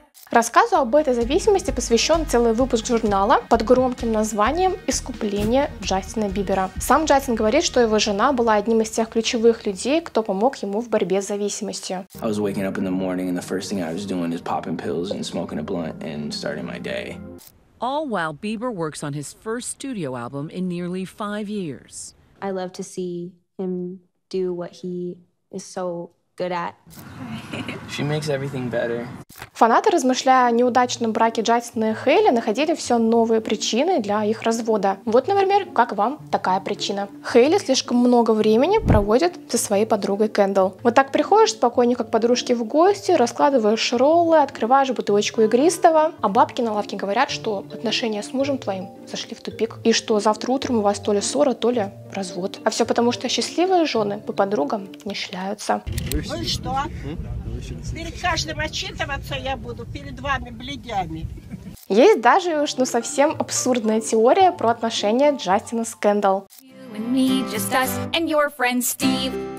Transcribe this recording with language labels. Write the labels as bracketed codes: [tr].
[ru] Рассказу об этой зависимости посвящен целый выпуск журнала под громким названием «Искупление Джастина Бибера». Сам Джастин говорит, что его жена была одним из тех ключевых людей, кто помог ему в борьбе с зависимостью. [en] I was waking up in the morning and the first thing I was doing is popping pills and smoking a blunt and starting my day. All while Bieber works on his first studio album in nearly 5 years. I love to see him do what he is so good at. She makes everything better. [ru] Фанаты, размышляя о неудачном браке Джастина и Хейли, находили все новые причины для их развода. Вот, например, как вам такая причина. Хейли слишком много времени проводит со своей подругой Кендалл. Вот так приходишь спокойненько к подружке в гости, раскладываешь роллы, открываешь бутылочку игристого, а бабки на лавке говорят, что отношения с мужем твоим зашли в тупик, и что завтра утром у вас то ли ссора, то ли развод. А все потому, что счастливые жены по подругам не шляются. Ну и что? Перед каждым отчитываться я буду, перед вами бледями. Есть даже уж ну совсем абсурдная теория про отношения Джастина с Кендалл. [en] You and me, just us, and your friend Steve.